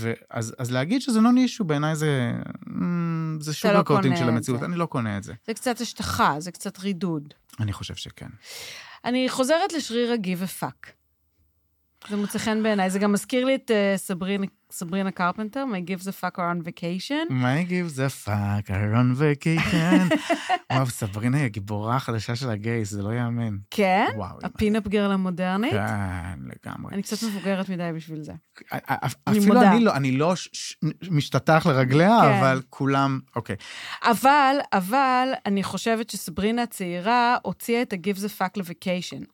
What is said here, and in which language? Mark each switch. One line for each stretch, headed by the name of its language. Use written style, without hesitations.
Hebrew: אז להגיד שזה לא נישהו, בעיניי זה שוב הקוטינג של המציאות, אני לא קונה את זה. זה קצת השטחה, זה קצת רידוד. אני חושב שכן. אני חוזרת לשריר הגיב ופאק. זה מוצא חן בעיניי. זה גם מזכיר לי את סברינה קרפנטר,
English: My Give the Fuck are on vacation. My Give the Fuck are on vacation.
Hebrew: וואו, סברינה היא הגיבורה החדשה של הגייס, זה לא יאמן. כן? וואו. הפינאפ גרל המודרנית? כן, לגמרי. אני קצת מבוגרת מדי בשביל זה. אפילו אני לא משתתח לרגליה, אבל כולם, אוקיי. אבל, אני חושבת שסברינה הצעירה הוציאה את ה-Give the Fuck ל-Vacation.